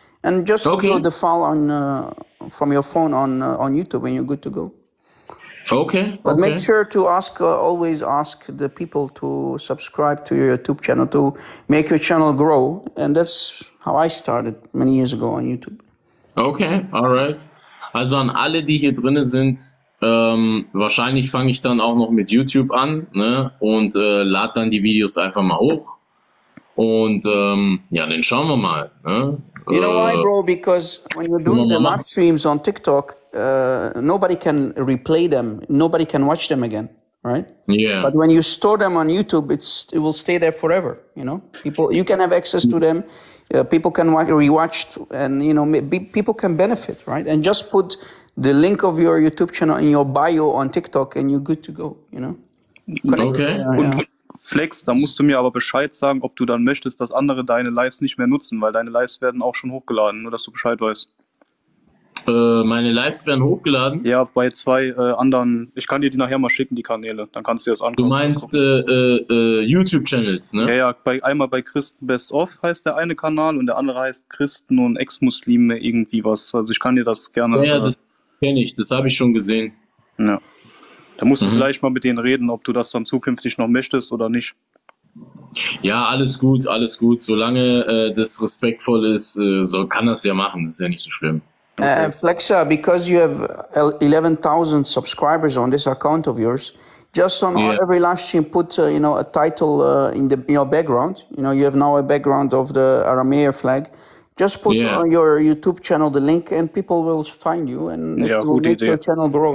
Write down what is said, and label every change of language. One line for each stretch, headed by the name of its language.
English: And just upload the file on from your phone on YouTube and you're good to go. Okay. Make sure to ask, always ask the people to subscribe to your YouTube channel to make your channel grow. And that's how I started many years ago on YouTube. Okay, all right.
German: Also an alle, die hier drin sind, wahrscheinlich fange ich dann auch noch mit YouTube an, ne? Und lade dann die Videos einfach mal hoch. Und dann schauen wir mal. Ne?
English: You know why, bro? Because when you're doing the live streams on TikTok, nobody can replay them. Nobody can watch them again, right? Yeah. But when you store them on YouTube, it will stay there forever, you know? You can have access to them. People can rewatch, and you know, people can benefit, right? And just put the link of your YouTube channel in your bio on TikTok, and you're good to go, you know. Okay.
German: Und Flex, da musst du mir aber Bescheid sagen, ob du dann möchtest, dass andere deine Lives nicht mehr nutzen, weil deine Lives werden auch schon hochgeladen, nur dass du Bescheid weißt. Meine Lives werden hochgeladen? Ja, bei zwei anderen. Ich kann dir die nachher mal schicken, die Kanäle. Dann kannst du dir das angucken. Du meinst YouTube-Channels, ne? Ja, einmal bei Christen Best Of heißt der eine Kanal und der andere heißt Christen und Ex-Muslime irgendwie was. Also ich kann dir das gerne... Ja, das kenne ich. Das habe ich schon gesehen. Ja. Da musst du gleich mal mit denen reden, ob du das dann zukünftig noch möchtest oder nicht. Ja, alles gut. Solange das respektvoll ist, so kann das ja machen. Das ist ja nicht so schlimm. Okay.
English: Flexa, because you have 11,000 subscribers on this account of yours, just on every live stream, put you know, a title in your background. You know, you have now a background of the Aramea flag. Just put on your YouTube channel the link, and people will find you, and it will make your channel grow.